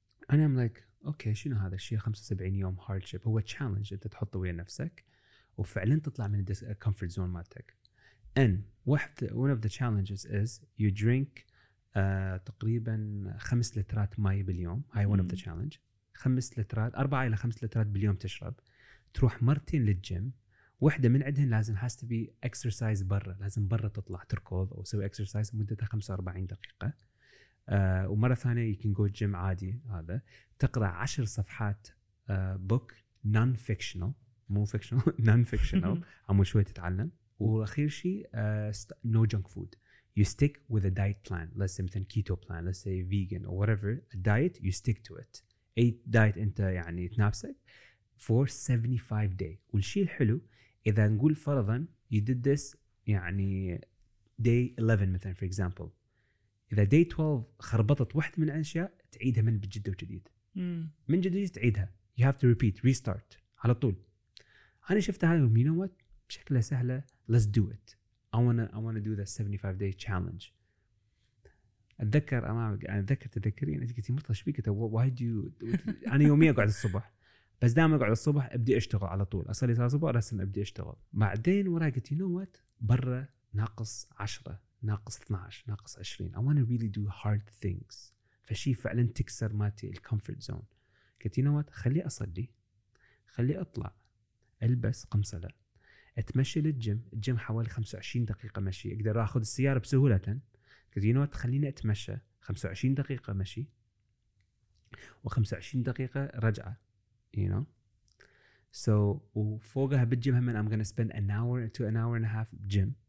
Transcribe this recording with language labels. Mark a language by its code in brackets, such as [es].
[ar] انا ام لايك اوكي شنو هذا الشيء 75 يوم hardship؟ هو تشالنج انت تحطه ويا نفسك وفعلا تطلع من الكومفورت زون مالتك. [en] ان one of the challenges is you drink [ar] تقريبا 5 لترات ماء باليوم. هاي [en] one of the challenge. [ar] 5 لترات 4 الى 5 لترات باليوم تشرب، تروح مرتين للجيم، واحدة من عندهن لازم [en] has to be exercise [ar] برا، لازم برا تطلع تركض او تسوي exercise مدتها 45 دقيقة، ومرة ثانية [en] you can go gym [ar] عادي. هذا تقرا 10 صفحات [en] book non-fictional [ar] عم شوي تتعلم، والأخير شيء [en] no junk food. You stick with a diet plan. Let's say مثلا keto plan. Let's say vegan or whatever. A diet, you stick to it. [ar] أي diet أنت يعني تنافسك [en] for 75 day. [ar] والشيء الحلو إذا نقول فرضا [en] you did this [ar] يعني day 11 مثلا [en] for example. [ar] إذا day 12 خربطت واحدة من الأشياء تعيدها من بجدة وجديد. من جدة وجديد تعيدها. [en] You have to repeat, restart [ar] على طول. أنا شفت هذا [en] you know what؟ [ar] بشكلها سهلة. [en] Let's do it. I wanna do the 75 day challenge. [ar] أتذكر أنت قلتي مرتضى شو بيك أنت [en] why do you [ar] أنا يوميا أقعد الصبح، بس دائما أقعد الصبح أبدي أشتغل على طول، أصلي صلاة الصبح أرسم أبدي أشتغل. بعدين وراي قلتي [en] you know what [ar] برا ناقص 10 ناقص 12 ناقص 20 [en] I wanna really do hard things. [ar] فشي فعلا تكسر ماتي الكومفورت زون. قلتي [en] you know what [ar] خلي أصلي، خلي أطلع ألبس قمصلة، اتمشي للجيم، الجيم حوالي 25 دقيقة مشي، اقدر اخذ السيارة بسهولة. [en] قلت you know what [ar] خليني اتمشى 25 دقيقة مشي و25 دقيقة رجعة، [en] you know so [ar] وفوقها بالجيم هم [en] I'm gonna spend an hour to an hour and a half gym.